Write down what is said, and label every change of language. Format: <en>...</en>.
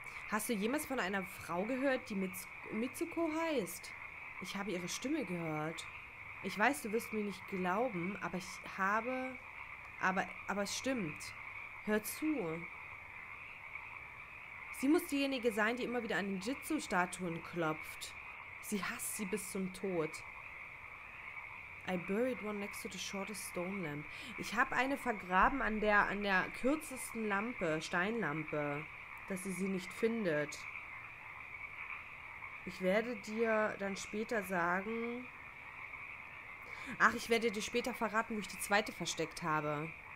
<de>Hast du jemals von einer Frau gehört, die Mitsuko heißt? Ich habe ihre Stimme gehört. Ich weiß, du wirst mir nicht glauben, aber ich habe... Aber es stimmt. Hör zu. Sie muss diejenige sein, die immer wieder an den Jitsu-Statuen klopft. Sie hasst sie bis zum Tod.</de> <en>I buried one next to the shortest stone lamp.</en> <de>Ich habe eine vergraben an der kürzesten Lampe, Steinlampe, dass sie sie nicht findet. Ich werde dir dann später sagen... Ach, ich werde dir später verraten, wo ich die zweite versteckt habe.</de>